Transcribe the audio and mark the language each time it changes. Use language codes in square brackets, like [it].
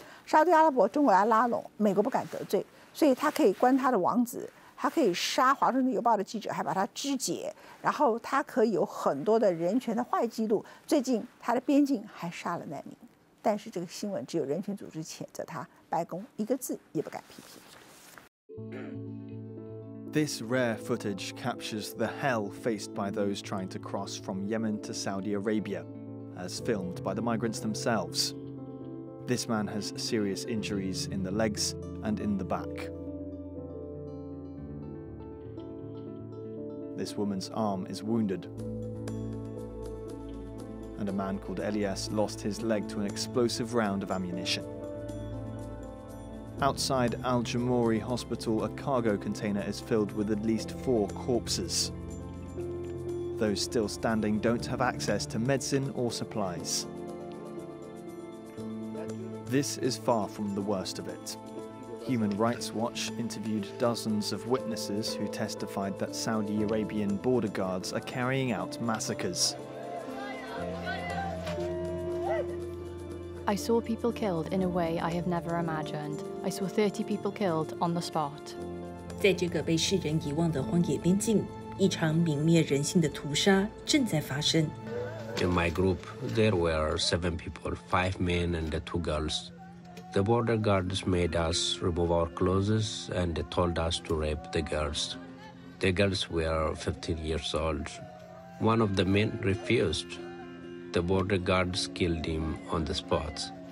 [zh] 沙特阿拉伯中国来拉拢，美国不敢得罪，所以他可以关他的王子，他可以杀华盛顿邮报的记者，还把他肢解，然后他可以有很多的人权的坏记录，最近他的边境还杀了难民。但是这个新闻只有人权组织谴责他，白宫一个字也不敢批评。 [en] This rare footage captures the hell faced by those trying to cross from Yemen to Saudi Arabia, as filmed by the migrants themselves. This man has serious injuries in the legs and in the back. This woman's arm is wounded. And a man called Elias lost his leg to an explosive round of ammunition. Outside Al Jumu'ri Hospital, a cargo container is filled with at least four corpses. Those still standing don't have access to medicine or supplies. This is far from the worst of it. Human Rights Watch interviewed dozens of witnesses who testified that Saudi Arabian border guards are carrying out massacres. I saw people killed in a way I have never imagined. I saw 30 people killed on the spot. [zh] 在这个被世人遗忘的荒野边境，一场泯灭人性的屠杀正在发生。 [en] In my group, there were 7 people, 5 men and 2 girls. The border guards made us remove our clothes and told us to rape the girls. The girls were 15 years old. One of the men refused. The border guards killed him on the spot.